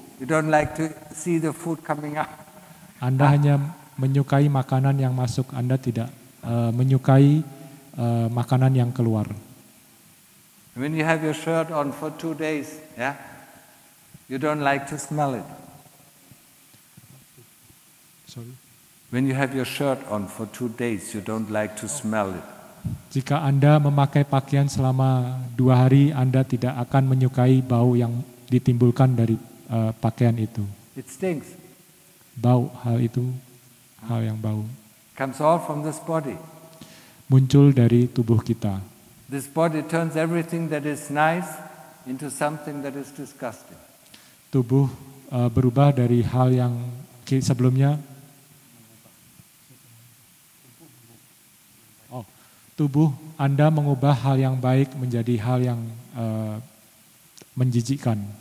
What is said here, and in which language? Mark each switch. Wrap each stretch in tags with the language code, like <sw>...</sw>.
<en>You don't like to see the food coming out.</en> <id>Anda hanya menyukai makanan yang masuk. Anda tidak menyukai makanan yang keluar.</id> <en>When you have your shirt on for 2 days, yeah? You don't like to smell it. Sorry. When you have your shirt on for 2 days, you don't like to smell it.</en> <id>Jika Anda memakai pakaian selama 2 hari, Anda tidak akan menyukai bau yang ditimbulkan dari pakaian itu.</id> <en>It stinks.</en> <id>Bau, hal itu, hal yang bau.</id> <en>Comes all from this body.</en> <id>Muncul dari tubuh kita.</id> <en>This body turns everything that is nice into something that is disgusting.</en> <id>Tubuh berubah dari hal yang sebelumnya. Tubuh Anda mengubah hal yang baik menjadi hal yang menjijikkan.</id>